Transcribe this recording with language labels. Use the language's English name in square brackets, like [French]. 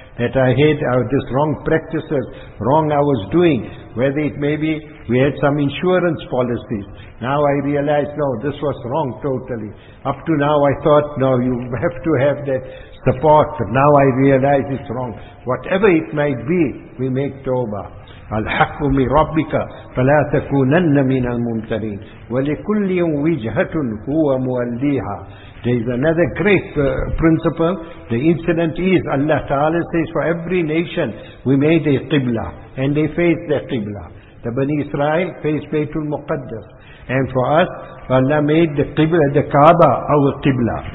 [English] That I had this wrong practices, wrong I was doing. Whether it may be, we had some insurance policies. Now I realize, no, this was wrong totally. Up to now I thought, no, you have to have that support. But now I realize it's wrong. Whatever it might be, we make tawbah. [Arabic] الحق من ربك فلا تكونن من الممترين ولكل وجهة هو موليها. [English] There is another great principle. The incident is Allah Ta'ala says for every nation we made a qibla and they faced their qibla. The Bani Israel faced Baytul Muqaddas And for us, Allah made the Qibla, the Kaaba, our Qibla.